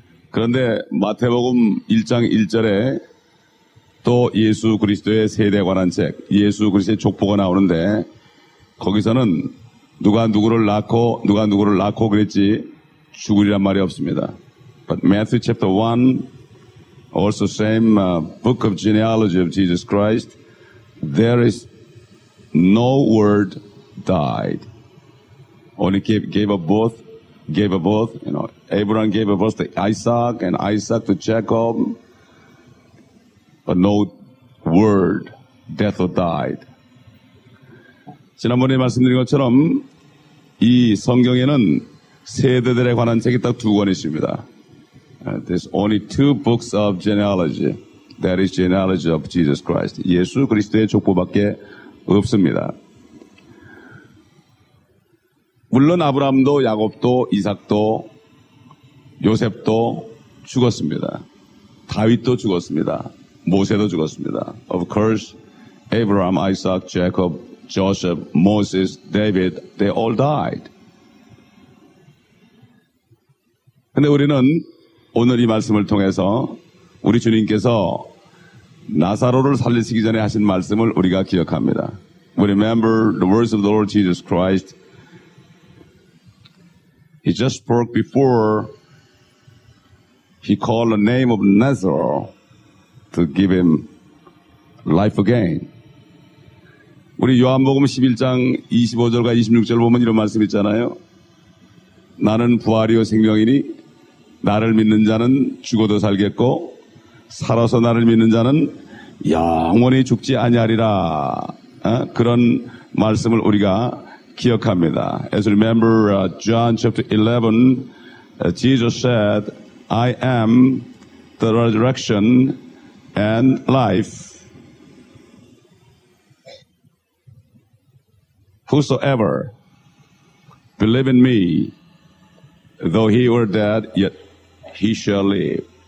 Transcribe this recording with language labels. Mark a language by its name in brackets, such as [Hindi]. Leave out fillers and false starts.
[Korean] 그런데 마태복음 1장 1절에 또 예수 그리스도의 세대에 관한 책, 예수 그리스도의 족보가 나오는데 거기서는 누가 누구를 낳고 누가 누구를 낳고 그랬지 죽으리란 말이 없습니다. [English] But Matthew chapter 1, also same book of genealogy of Jesus Christ, there is no word died. Only gave a birth, you know, Abraham gave a birth to Isaac and Isaac to Jacob, but no word, death or died. [Korean] 지난번에 말씀드린 것처럼 이 성경에는 세대들에 관한 책이 딱 두 권 있습니다. [English] There's only two books of genealogy. That is genealogy of Jesus Christ. [Korean] 예수 그리스도의 족보밖에 없습니다. 물론 아브라함도 야곱도 이삭도 요셉도 죽었습니다. 다윗도 죽었습니다. 모세도 죽었습니다. [English] Of course, Abraham, Isaac, Jacob, Joseph, Moses, David, they all died. [Korean] 근데 우리는 오늘 이 말씀을 통해서 우리 주님께서 나사로를 살리시기 전에 하신 말씀을 우리가 기억합니다. [English] We remember the words of the Lord Jesus Christ. He just spoke before he called the name of Nazareth to give him life again. [Korean] 우리 요한복음 11장 25절과 26절 보면 이런 말씀 있잖아요. 나는 부활이요 생명이니 나를 믿는 자는 죽어도 살겠고 살아서 나를 믿는 자는 영원히 죽지 아니하리라. 그런 말씀을 우리가 기억합니다. [English] As you remember, John chapter 11, Jesus said, I am the resurrection and life. Whosoever believe in me, though he were dead, yet he shall live.